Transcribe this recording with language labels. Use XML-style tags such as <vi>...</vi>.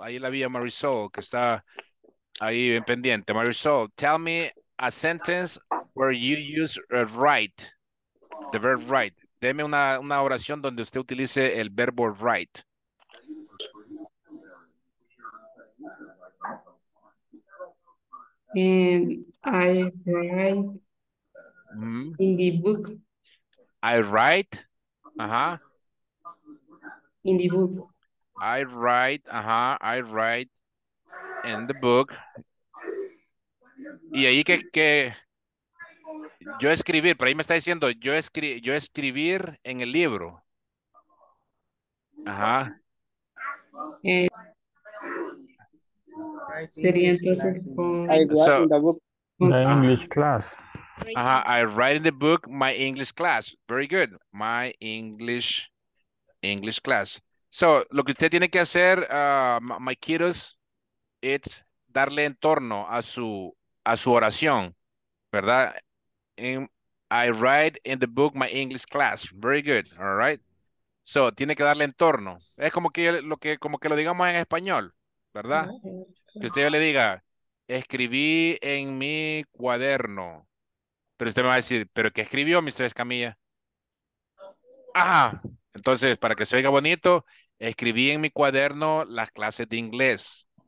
<es>Ahí la vi a Marisol, que está ahí en pendiente.</es> <en>Marisol, tell me a sentence where you use right. The verb right.</en> <es>Deme una oración donde usted utilice el verbo right.</es> <en>I write in the book. I write. Uh-huh. In the book. I write. Uh-huh. I write in the book.</en> <es>Y ahí que... Yo escribir, pero ahí me está diciendo yo escribir en el libro. Ajá. Sería entonces</es> <en>con... I write in the book. My English class. Ajá, I write in the book my English class. Very good. My English class.</en> <es>So, lo que usted tiene que hacer,</es> <en>my kiddos,</en> <es>es darle entorno a su oración, ¿verdad?</es> <en>I write in the book my English class. Very good. All right. So,</en> <es>tiene que darle entorno. Es como que lo digamos en español, ¿verdad? Que usted le diga, escribí en mi cuaderno. Pero usted me va a decir, ¿pero qué escribió, Mr. Escamilla? Ajá. Entonces, para que se oiga bonito, escribí en mi cuaderno las clases de inglés.</es>